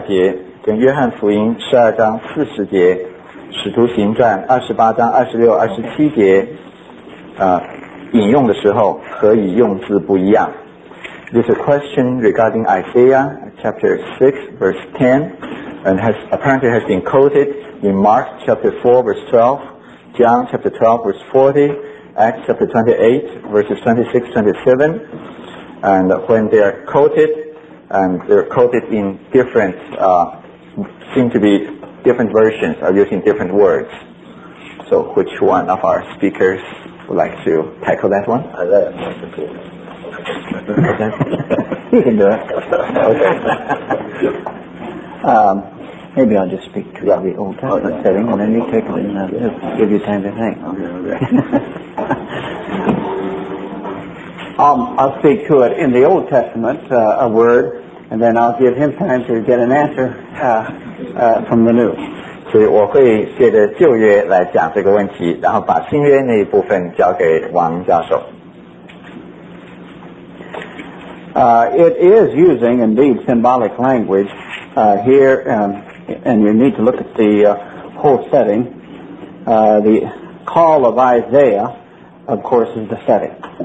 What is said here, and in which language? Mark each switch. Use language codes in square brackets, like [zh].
[zh] 我们把我们在一起的时间恭敬交给你的手里，奉耶稣基督的名祷告。有关以赛亚书6章10节的一个问题，当马可福音4章12节跟约翰福音12章40节。使徒行传28章26、27节引用的时候，可以用字不一样。 [en] This is a question regarding Isaiah chapter 6 verse 10 and apparently has been quoted in Mark chapter 4 verse 12, John chapter 12 verse 40, Acts chapter 28 verses 26-27, and when they are quoted, and they're quoted in different seem to be different versions are using different words. So which one of our speakers would like to tackle that one? I like it. Okay. You can do it. Okay. Maybe I'll just speak to the old testament setting and then you take it and give you time to think. Okay. I'll speak to it in the Old Testament, a word, and then I'll give him time to get an answer from the New. [zh] 所以我会借着旧约来讲这个问题，然后把新约那一部分交给王教授。 [en] It is using indeed symbolic language here, and you need to look at the whole setting. The call of Isaiah, of course, is the setting.